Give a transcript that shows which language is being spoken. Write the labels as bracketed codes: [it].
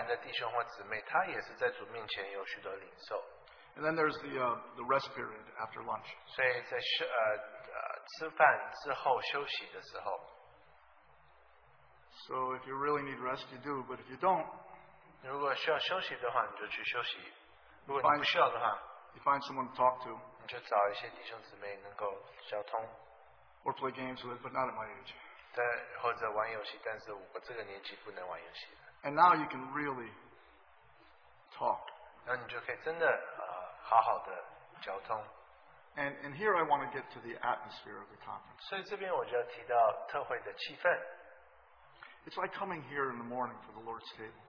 [zh] 因为你交谈的弟兄或姊妹，他也是在主面前有许多领受. [en] And then there's the rest period after lunch. [zh] 所以在吃饭之后休息的时候. [en] So if you really need rest, you do. But if you don't, [zh] 如果需要休息的话，你就去休息. 如果你不需要的话, [en] you find someone to talk to. [zh] 你就找一些弟兄姊妹能够交通. [en] Or play games with, but not at my age. [zh] 或者玩游戏，但是我这个年纪不能玩游戏. [en] And now you can really talk. [zh] 然后你就可以真的 好好的交通. [en] And here I want to get to the atmosphere of the conference. [zh] 所以这边我就要提到特会的气氛. [en] It's like coming here in the morning for the Lord's table.